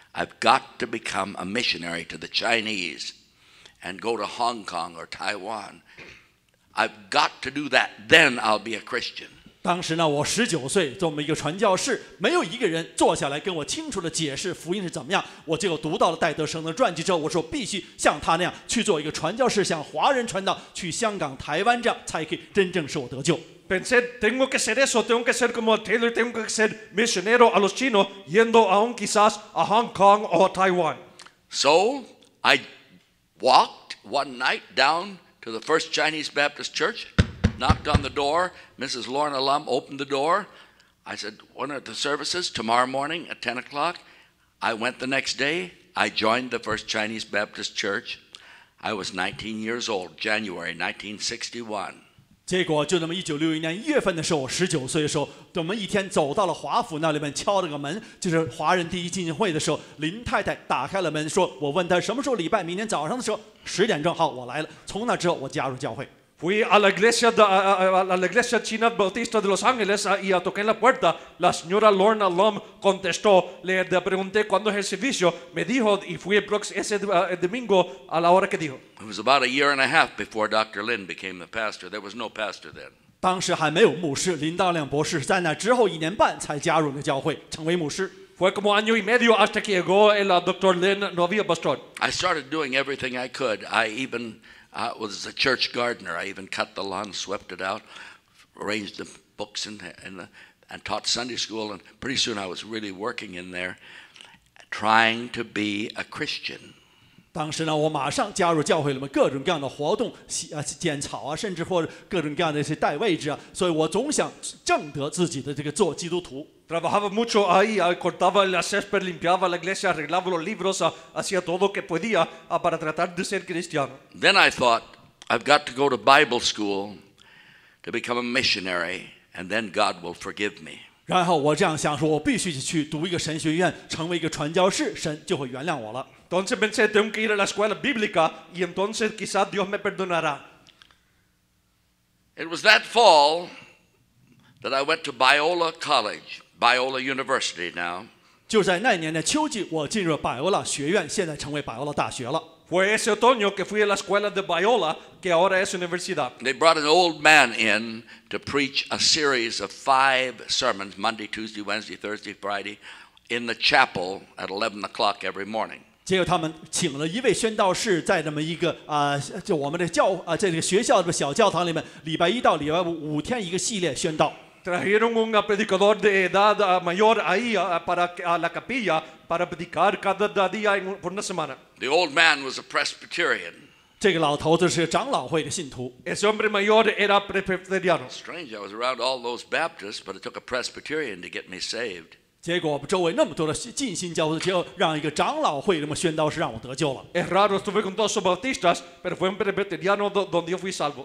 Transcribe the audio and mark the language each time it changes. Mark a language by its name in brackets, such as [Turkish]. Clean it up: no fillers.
[English] I've got to become a missionary to the Chinese and go to Hong Kong or Taiwan. I've got to do that. Then I'll be a Christian. [Chinese] 当时呢，我十九岁，做我们一个传教士，没有一个人坐下来跟我清楚地解释福音是怎么样。我就读到了戴德生的传记之后，我说必须像他那样去做一个传教士，向华人传道，去香港、台湾，这样才可以真正使我得救。 [Spanish] Pensé, tengo que ser eso, tengo que ser como Taylor, tengo que ser misionero a los chinos, yendo aún quizás a Hong Kong o Taiwan. [English] So I walked one night down to the First Chinese Baptist Church, knocked on the door. Mrs. Lorna Lum opened the door. I said, "One of the services tomorrow morning at 10 o'clock." I went the next day. I joined the First Chinese Baptist Church. I was 19 years old, January 1961. [Chinese] 结果就那么1961年1月份的时候，我19岁的时候，我们一天走到了华府那里面，敲了个门，就是华人第一浸信会的时候，林太太打开了门，说我问她什么时候礼拜，明天早上的时候10点正好我来了。从那之后，我加入教会。 [Spanish] Fui a la iglesia a la iglesia china bautista de Los Ángeles y a toqué la puerta. La señora Lorna Lum contestó. Le pregunté cuándo es el servicio. Me dijo y fui el próximo ese domingo a la hora que dijo. [English] It was about a year and a half before Dr. Lin became the pastor. There was no pastor then. [Chinese] 当时还没有牧师，林道亮博士在那之后一年半才加入了教会，成为牧师。 [Spanish] Fue como año y medio hasta que llegó el Dr. Lin, no había pastor. [English] I started doing everything I could. I was a church gardener. I even cut the lawn, swept it out, arranged the books and taught Sunday school. And pretty soon I was really working in there, trying to be a Christian. [Chinese] 当时呢，我马上加入教会里面各种各样的活动，剪草啊，甚至或者各种各样的一些代位置啊。所以我总想证得自己的这个做基督徒。 [Spanish] Trabajaba mucho ahí, cortaba la césped, limpiaba la iglesia, arreglaba los libros, hacía todo lo que podía para tratar de ser cristiano. [English] Then I thought, I've got to go to Bible school to become a missionary, and then God will forgive me. [Chinese] 然后我这样想说，我必须去读一个神学院，成为一个传教士，神就会原谅我了。 [Spanish] Entonces pensé, tengo que ir a la escuela bíblica, y entonces quizás Dios me perdonará. [English] It was that fall that I went to Biola College. Biola University now. [Chinese] 就在那年的秋季，我进入了百欧拉学院，现在成为百欧拉大学了。 [Spanish] Fue ese otoño que fui a la escuela de Biola, que ahora es universidad. [English] They brought an old man in to preach a series of 5 sermons, Monday, Tuesday, Wednesday, Thursday, Friday, in the chapel at 11 o'clock every morning. [Chinese] 结果他们请了一位宣道士，在这么一个就我们的教在这个学校的小教堂里面，礼拜一到礼拜五五天一个系列宣道。 [Spanish] Trajeron un predicador de edad mayor ahí para la capilla para predicar cada día por una semana. [English] The old man was a Presbyterian. [Chinese] 这个老头子是长老会的信徒。 [Spanish] Ese hombre mayor era presbiteriano. [English] Strange, I was around all those Baptists, but it took a Presbyterian to get me saved. [Chinese] 结果周围那么多的浸信教会，只有让一个长老会那么宣道士让我得救了。 [Spanish] Es raro, estuve con todos los bautistas, pero fue un presbiteriano donde yo fui salvo.